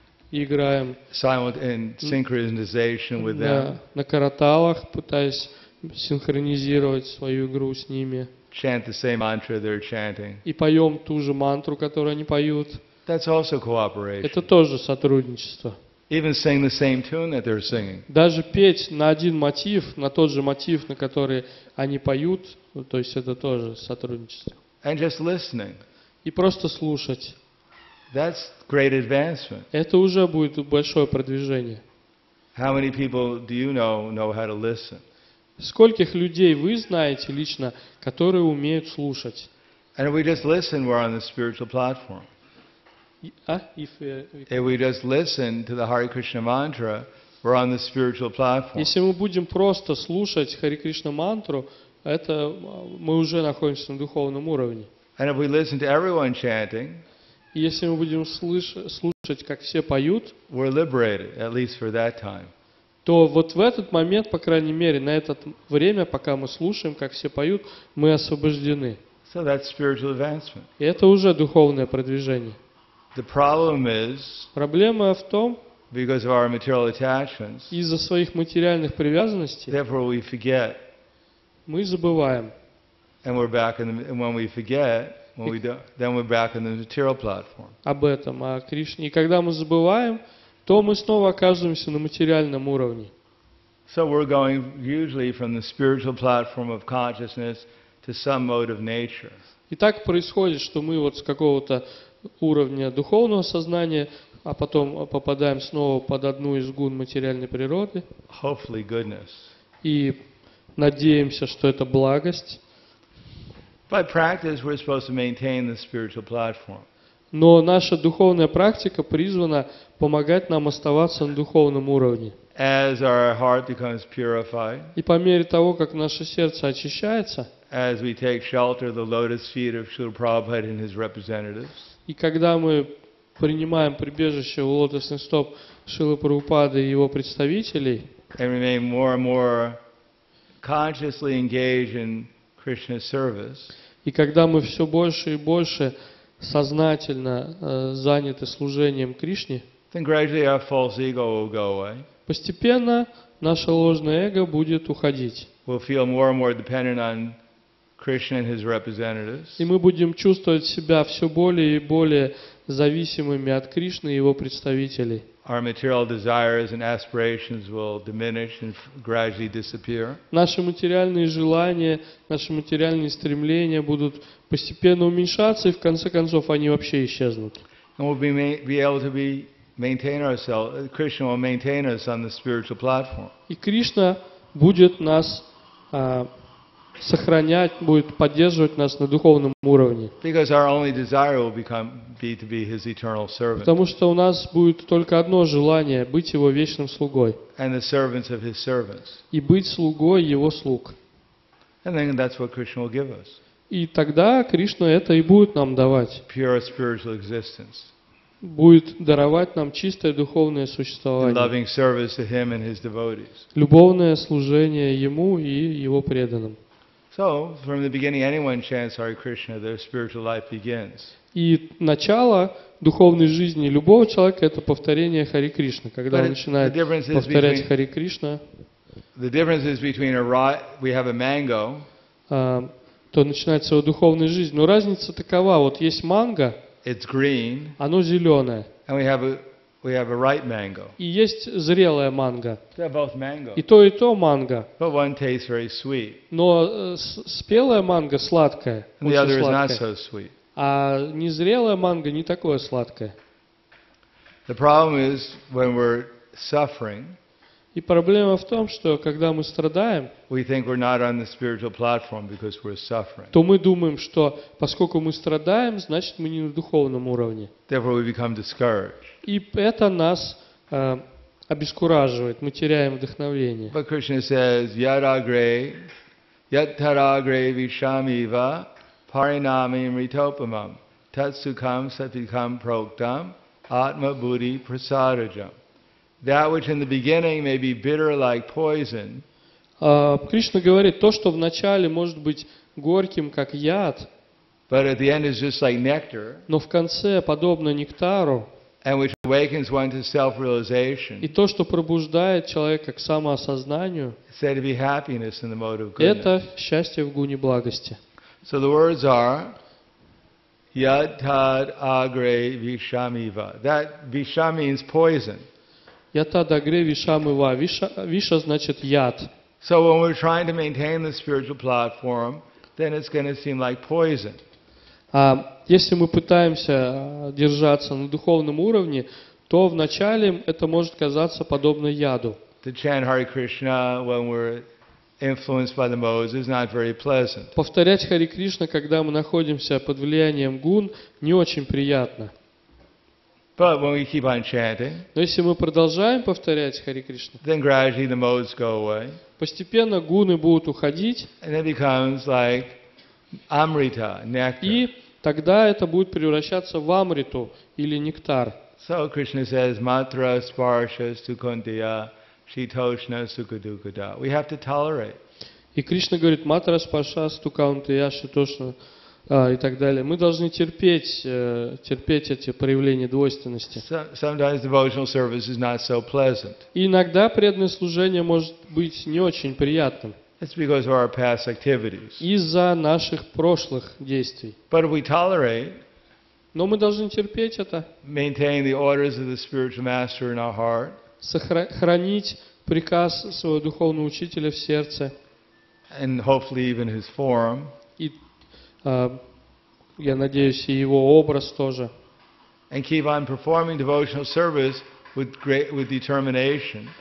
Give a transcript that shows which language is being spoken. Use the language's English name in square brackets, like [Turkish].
[Russian] играем [English] synchronization with them. [Russian] На караталах, пытаясь синхронизировать свою игру с ними. [English] Chant the same mantra they're chanting. [Russian] И поем ту же мантру, которую они поют. [English] That's also cooperation. [Russian] Это тоже сотрудничество. [English] Even sing the same tune that they're singing. [Russian] Даже петь на один мотив, на тот же мотив, на который они поют, то есть это тоже сотрудничество. [English] And just listening. [Russian] И просто слушать. [English] That's great advancement. [Russian] Это уже будет большое продвижение. [English] How many people do you know how to listen? [Russian] Скольких людей вы знаете лично, которые умеют слушать? [English] And if we just listen, we're on the spiritual platform. If we just listen to the Hare Krishna mantra, we're on the spiritual platform. [Russian] Если мы будем просто слушать Хари Кришна мантру, это мы уже находимся на духовном уровне. [English] And if we listen to everyone chanting, [Russian] и если мы будем слушать, как все поют, [English] we're liberated, at least for that time. [Russian] То вот в этот момент, по крайней мере, на это время, пока мы слушаем, как все поют, мы освобождены. [English] So that's spiritual advancement. [Russian] И это уже духовное продвижение. [English] The problem is, [Russian] проблема в том, [English] because of our material attachments, [Russian] из-за своих материальных привязанностей, [English] therefore we forget. [Russian] Мы забываем. [English] And we're back in the, and when we forget, when we don't, then we're back in the material platform. [Russian] Об этом, о Кришне. И когда мы забываем, то мы снова оказываемся на материальном уровне. [English] So we're going usually from the spiritual platform of consciousness to some mode of nature. [Russian] И так происходит, что мы вот с какого-то уровня духовного сознания, а потом попадаем снова под одну из гун материальной природы. [English] Hopefully goodness. [Russian] И надеемся, что это благость. [English] By practice, we're supposed to maintain the spiritual platform. [Russian] Но наша духовная практика призвана помогать нам оставаться на духовном уровне. [English] As our heart becomes purified, [Russian] и по мере того, как наше сердце очищается, [English] as we take shelter of the lotus feet of Srila Prabhupada and his representatives, [Russian] и когда мы принимаем прибежище у лотосных стоп Шрилы Прабхупады и его представителей, [English] and remain more and more consciously engage in Krishna's service. [Russian] И когда мы все больше и больше сознательно заняты служением Кришне, [English] then gradually our false ego will go away. [Russian] Постепенно наше ложное эго будет уходить. [English] We'll feel more and more dependent on Krishna and his representatives. [Russian] И мы будем чувствовать себя все более и более зависимыми от Кришны и его представителей. [English] Our material desires and aspirations will diminish and gradually disappear. [Russian] Наши материальные желания, наши материальные стремления будут постепенно уменьшаться, и в конце концов они вообще исчезнут. [English] And we'll be able to be maintain ourselves. Krishna will maintain us on the spiritual platform. [Russian] И Кришна будет нас сохранять, будет поддерживать нас на духовном уровне. [English] Because our only desire will become be to be his eternal servant. [Russian] Потому что у нас будет только одно желание — быть его вечным слугой. [English] And the servants of his servants. [Russian] И быть слугой его слуг. [English] And then that's what Krishna will give us. [Russian] И тогда Кришна это и будет нам давать. [English] Pure spiritual existence. [Russian] Будет даровать нам чистое духовное существование. [English] And loving service to him and his devotees. [Russian] Любовное служение ему и его преданным. [English] So, from the beginning, anyone chants Hare Krishna, their spiritual life begins. [Russian] И начало духовной жизни любого человека — это повторение Хари Кришны. Когда он начинает повторять Хари Кришна, [English] the difference is between we have a mango. [Russian] То начинается его духовная жизнь. Но разница такова: вот есть манго, [English] it's green, [Russian] оно зеленое, [English] and we have a ripe mango. [Russian] И есть зрелая манго. [English] They're both mango. [Russian] И то манго. [English] But one tastes very sweet. [Russian] Но спелая манго сладкая. [English] And the other is not so sweet. [Russian] А незрелая манго не такое сладкое. [English] The problem is when we're suffering. [Russian] И проблема в том, что когда мы страдаем, [English] we think we're not on the spiritual platform because we're suffering. [Russian] То мы думаем, что поскольку мы страдаем, значит мы не на духовном уровне. [English] Therefore we become discouraged. [Russian] И это нас обескураживает, мы теряем вдохновение. [English] But Krishna says, [Sanskrit] yataragre vishamiva parinami mritopamam tatsukam satikam proktam atma buddhi prasarajam. [English] That which in the beginning may be bitter like poison. [Russian] Кришна говорит, то, что в начале может быть горьким, как яд, [English] but at the end is just like nectar. [Russian] Но в конце подобно нектару. [English] And which awakens one to self-realization. [Russian] И то, что пробуждает человека к самоосознанию. [English] Said to be happiness in the mode of goodness. [Russian] Это счастье в гуне благости. [English] So the words are [Sanskrit] yad tad agre vishamiva. [English] That visha means poison. [Sanskrit] Ятадагре вишамива. [Russian] Виша значит яд. [English] So when we're trying to maintain the spiritual platform, then it's going to seem like poison. [Russian] Если мы пытаемся держаться на духовном уровне, то вначале это может казаться подобно яду. [English] To chant Hare Krishna when we're influenced by the modes is not very pleasant. [Russian] Повторять Хари Кришна, когда мы находимся под влиянием гун, не очень приятно. [English] But when we keep on chanting, [Russian] но если мы продолжаем повторять Хари Кришна, [English] then gradually the modes go away. [Russian] Постепенно гуны будут уходить. [English] And it becomes like amrita, nectar. [Russian] И тогда это будет превращаться в амриту или нектар. [English] So Krishna says, [Sanskrit] matra sparsha sukundiya shitoshna sukadukada. [English] We have to tolerate. [Russian] И Кришна говорит, [Sanskrit] матра спарша стукаунтия шитошна [Russian] и так далее. Мы должны терпеть эти проявления двойственности. [English] Sometimes devotional service is not so pleasant. [Russian] Иногда преданное служение может быть не очень приятным. [English] It's because of our past activities. [Russian] Из-за наших прошлых действий. [English] But if we tolerate, [Russian] но мы должны терпеть это. [English] Maintain the orders of the spiritual master in our heart. [Russian] Сохранить приказ своего духовного учителя в сердце. [English] And hopefully even his form. [Russian] Я надеюсь, и его образ тоже. [English] And keep on performing devotional service with determination.